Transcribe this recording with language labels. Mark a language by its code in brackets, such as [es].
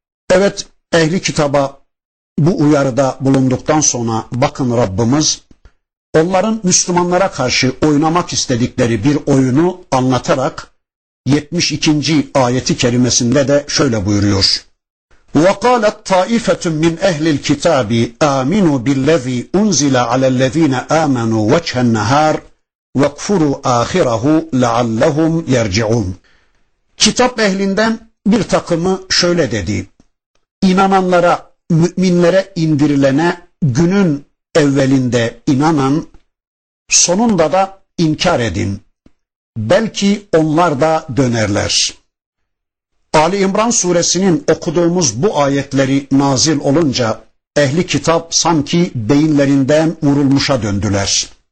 [tr] Evet, ehli kitaba bu uyarıda bulunduktan sonra bakın Rabbimiz, onların Müslümanlara karşı oynamak istedikleri bir oyunu anlatarak 72. ayeti kerimesinde de şöyle buyuruyor. [ar] وَقَالَتْ تَائِفَةٌ مِّنْ اَهْلِ الْكِتَابِ اَامِنُوا بِالَّذ۪ي اُنْزِلَ عَلَى الَّذ۪ينَ آمَنُوا وَجْهَ النَّهَارِ وَكْفُرُوا آخِرَهُ لَعَلَّهُمْ يَرْجِعُونَ [tr] Kitap ehlinden bir takımı şöyle dedi. İnananlara, müminlere indirilene günün evvelinde inanın, sonunda da inkar edin. Belki onlar da dönerler. Ali İmran suresinin okuduğumuz bu ayetleri nazil olunca ehli kitap sanki beyinlerinden vurulmuşa döndüler.